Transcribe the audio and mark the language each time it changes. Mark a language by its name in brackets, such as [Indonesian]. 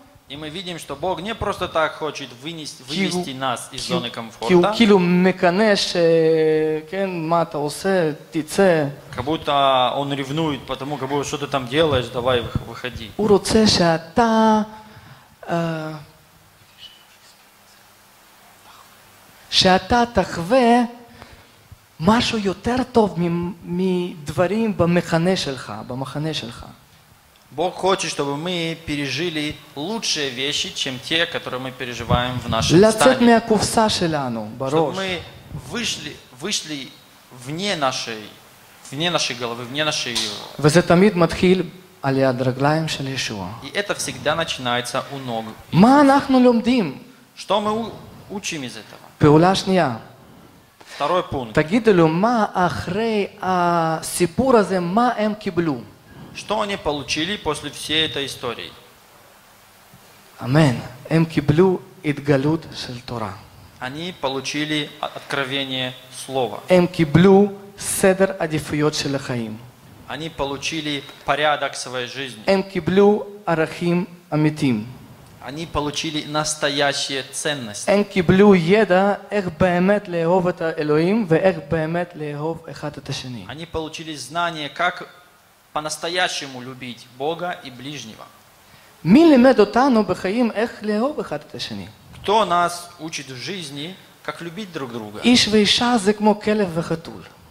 [Russian] И мы видим, что Бог не просто так хочет вывести нас из зоны комфорта. [Hebrew] כאילו מקנה שכן, מה אתה עושה, תצא. [Russian] Как будто он ревнует, потому как будто что ты там делаешь, давай выходи. [Hebrew] הוא רוצה שאתה... שאתה תחווה משהו יותר טוב מדברים במחנה שלך, במחנה שלך. [Russian] Бог хочет, чтобы мы пережили лучшие вещи, чем те, которые мы переживаем в нашем стане. [Hebrew] לצאת מהקופסה שלנו, בראש. [Russian] Чтобы мы вышли вне нашей головы, вне нашей... [Hebrew] וזה תמיד מתחיל על יד רגליים של ישוע. [Russian] И это всегда начинается у ног. [Hebrew] מה אנחנו לומדים? [Russian] Что мы учим из этого? [Hebrew] פעולה שנייה. [Russian] Второй пункт. [Hebrew] תגידו לו, מה אחרי הסיפור הזה, מה הם קיבלו? [Russian] Что они получили после всей этой истории? [Hebrew] Амен. הם קיבלו התגלות של תורה. [Russian] Они получили откровение слова. [Hebrew] הם קיבלו סדר עדיפויות של החיים. [Russian] Они получили порядок своей жизни. [Hebrew] הם קיבלו ערכים אמיתיים. [Russian] Они получили настоящие ценности. [Hebrew] הם קיבלו ידע איך באמת לאהוב את האלוהים ואיך באמת לאהוב אחד את השני. [Russian] Они получили знание, как по-настоящему любить Бога и ближнего. [Hebrew] מי לימד אותנו בחיים איך לאהוב אחד את השני? [Russian] Кто нас учит в жизни, как любить друг друга? [Hebrew] איש ואישה זה כמו כלב וחתול.